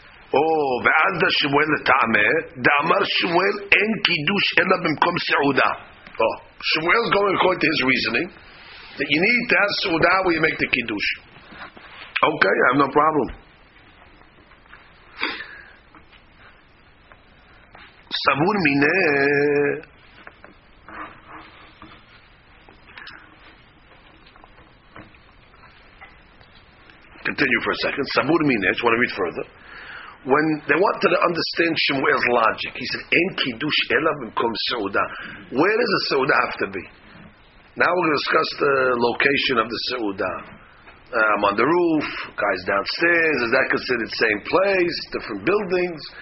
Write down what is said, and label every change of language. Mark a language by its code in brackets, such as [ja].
[he] Oh, ואז דה שמואל לטעמה, דאמר שמואל אין קידוש אלא במקום סעודה. [en] Oh, שמואל is going according to his reasoning that you need to have סעודה where you make the קידוש. Okay, I have no problem. סבור מיני continue for a second. סבור מיני, I just want to read further. When they wanted to understand Shmuel's logic, he said, [he] "En kiddush ela b'mkom seuda." [en] Where does the seuda have to be? Now we're going to discuss the location of the seuda. I'm on the roof. Guys downstairs. Is that considered same place? Different buildings.